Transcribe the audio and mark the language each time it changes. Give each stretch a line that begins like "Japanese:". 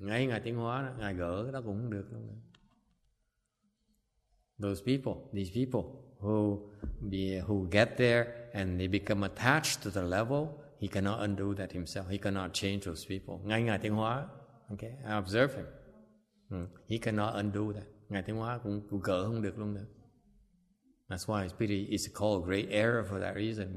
Vietnamese: Ngay Ngài Tiến Hóa, Ngài gỡ cái đó cũng không được lắm.
English: Those people, these people who get there and they become attached to the level, he cannot undo that himself. He cannot change those people.
Vietnamese: Ngay Ngài Tiến Hóa,
English: okay? I observe him. He cannot undo that.
Vietnamese: Ngài Tiến Hóa cũng gỡ không được luôn nữa.
English: That's why it's called a great error for that reason.